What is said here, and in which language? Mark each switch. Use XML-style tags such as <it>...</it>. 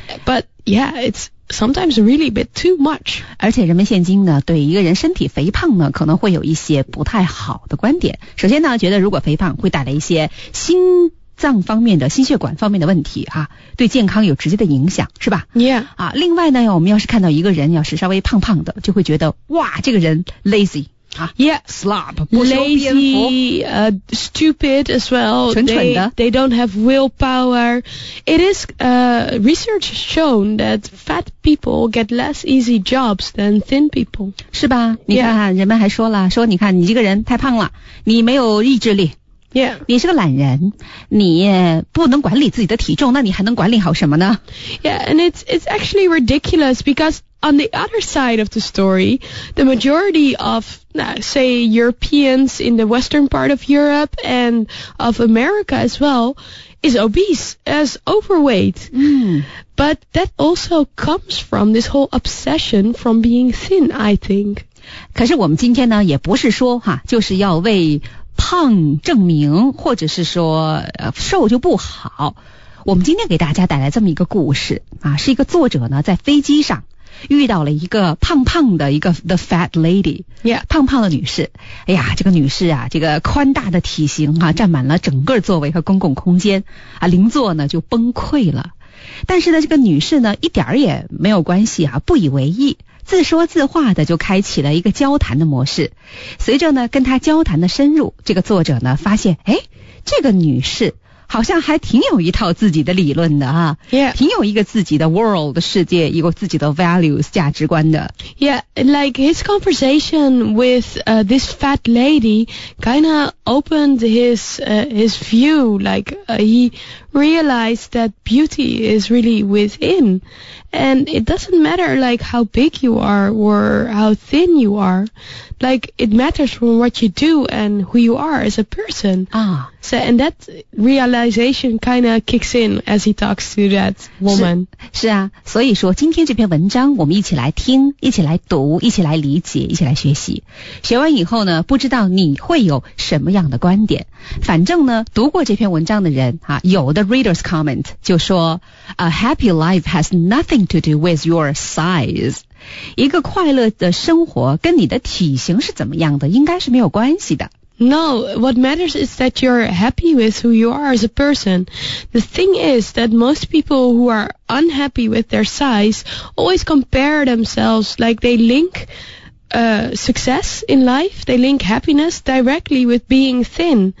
<en>But yeah, it's sometimes really a bit too much.</en> <zh>而且人们现今呢，对一个人身体肥胖呢，可能会有一些不太好的观点。首先呢，觉得如果肥胖会带来一些心脏方面的、心血管方面的问题哈、啊，对健康有直接的影响，是吧</zh> <en>？Yeah.</en> <zh>啊，另外呢，我们要是看到一个人要是稍微胖胖的，就会觉得哇，这个人 lazy。</zh> <en>Yeah, slob, lazy, stupid as well.</en> <zh>蠢蠢的</zh> <en>they don't have willpower. It is research shown that fat people get less easy jobs than thin people.</en> <zh>是吧？你看看、</zh> <en>yeah.</en> <zh>人们还说了，说你看你这个人太胖了，你没有意志力。</zh> <en>Yeah.</en> <zh>你是个懒人，你不能管理自己的体重，那你还能管理好什么呢？</zh> <en>Yeah, and it's actually ridiculous because on the other side of the story, the majority of, say, Europeans in the western part of Europe and of America as well, is obese, as overweight. Mm. But that also comes from this whole obsession from being thin, I think.</en> <zh>可是我们今天呢，也不是说哈，就是要为胖证明或者是说瘦就不好。我们今天给大家带来这么一个故事啊，是一个作者呢在飞机上遇到了一个胖胖的一个</zh> <en>the fat lady、 yeah.</en> <zh>胖胖的女士。哎呀，这个女士啊，这个宽大的体型啊，占满了整个座位和公共空间啊，邻座呢就崩溃了。但是呢，这个女士呢一点也没有关系啊，不以为意，自说自话的就开启了一个交谈的模式。随着呢跟她交谈的深入，这个作者呢发现，哎，这个女士好像还挺有一套自己的理论的啊、</zh> <en>yeah.</en> <zh>挺有一个自己的 world 世界，一个自己的 values 价值观的。</zh> <en>Yeah, like his conversation with this fat lady kind of opened his view, like he realized that beauty is really within, and it doesn't matter like how big you are or how thin you are, like it matters from what you do and who you are as a person. Ah. So, and that realization kind of kicks in as he talks to that woman.</en> <zh>是啊，所以说今天这篇文章我们一起来听，一起来读，一起来理解，一起来学习。学完以后呢，不知道你会有什么样的观点。反正呢，读过这篇文章的人啊，有的</zh> <en>readers comment</en> <zh>就说 ，</zh> <en>A happy life has nothing to do with your size。</en> <zh>一个快乐的生活跟你的体型是怎么样的，应该是没有关系的。</zh> <en>No, what matters is that you're happy with who you are as a person. The thing is that most people who are unhappy with their size always compare themselves, like they link success in life, they link happiness directly with being thin.</en>